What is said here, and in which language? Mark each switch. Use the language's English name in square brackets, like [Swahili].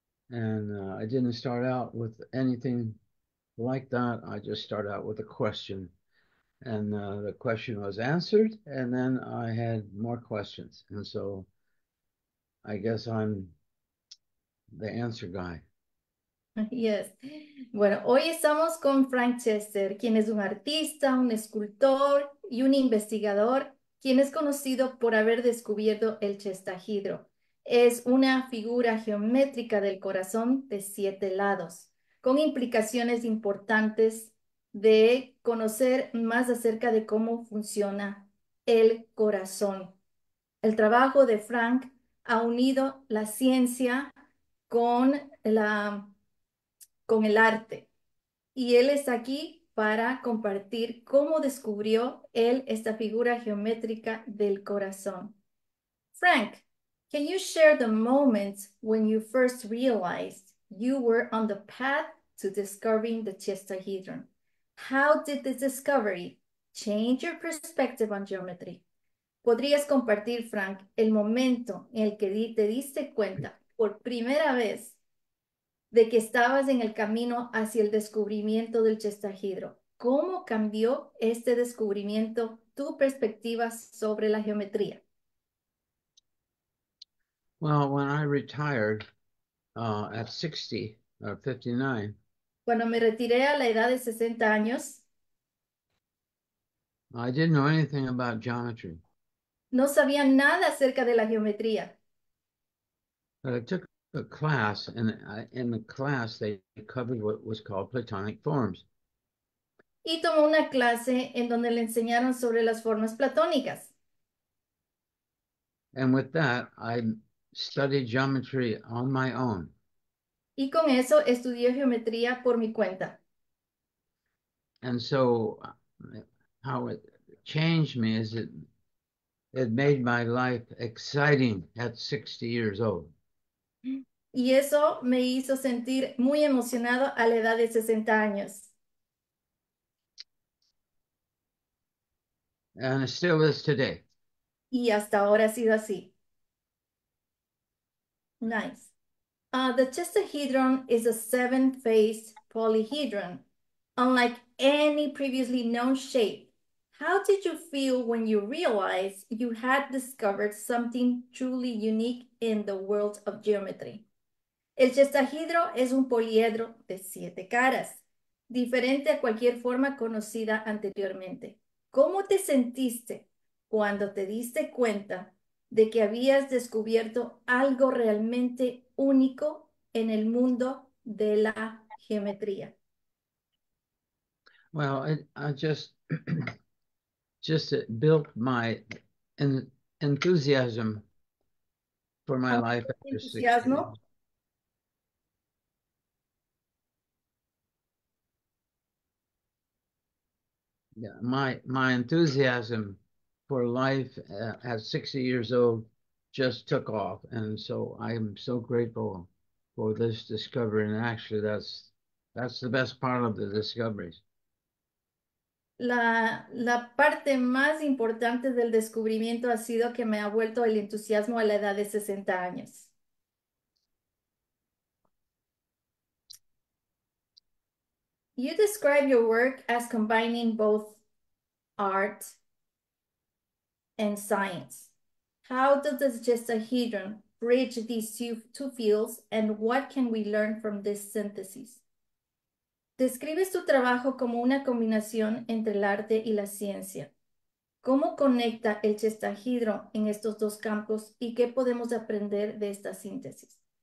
[English] And I didn't start out with anything like that. I just started out with a question. And the question was answered, and then I had more questions. And so I guess I'm the answer guy. Yes. [Spanish] Bueno, hoy estamos con Frank Chester, quien es un artista, un escultor y un investigador, quien es conocido por haber descubierto el chestahedro. Es una figura geométrica del corazón de siete lados, con implicaciones importantes de conocer más acerca de cómo funciona el corazón. El trabajo de Frank ha unido la ciencia con el arte. Y él está aquí para compartir cómo descubrió él esta figura geométrica del corazón. [English] Frank, can you share the moments when you first realized you were on the path to discovering the chestahedron? How did this discovery change your perspective on geometry? [Spanish] ¿Podrías compartir, Frank, el momento en el que te diste cuenta por primera vez de que estabas en el camino hacia el descubrimiento del chestahedro? ¿Cómo cambió este descubrimiento tu perspectiva sobre la geometría? [English] Well, when I retired at 60 or 59, [Spanish] cuando me retiré a la edad de 60 años, [English] I didn't know anything about geometry. [Spanish] No sabía nada acerca de la geometría. [English] But I took a class, and in the class they covered what was called Platonic forms. [Spanish] Y tomó una clase en donde le enseñaron sobre las formas platónicas. [English] And with that, I studied geometry on my own. [Spanish] Y con eso estudié geometría por mi cuenta. [English] And so how it changed me is it made my life exciting at 60 years old. [Spanish] Y eso me hizo sentir muy emocionado a la edad de 60 años. [English] And it still is today. [Spanish] Y hasta ahora ha sido así. [English] Nice. The chestahedron is a seven-faced polyhedron, unlike any previously known shape. How did you feel when you realized you had discovered something truly unique in the world of geometry? [Spanish] El chestahedro es un poliedro de siete caras, diferente a cualquier forma conocida anteriormente. ¿Cómo te sentiste cuando te diste cuenta de que habías descubierto algo realmente único en el mundo de la geometría? [English] Well, I just just built my enthusiasm for my life after 6 years. Yeah, my enthusiasm for life at 60 years old just took off, and so I'm so grateful for this discovery. And actually, that's the best part of the discoveries. [Spanish] La parte más importante del descubrimiento ha sido que me ha vuelto el entusiasmo a la edad de 60 años. [English] You describe your work as combining both art and science. How does the chestahedron bridge these two fields, and what can we learn from this synthesis? [Spanish] Describes tu trabajo como una combinación entre el arte y la ciencia. ¿Cómo conecta el chestahedro en estos dos campos y qué podemos aprender de esta síntesis?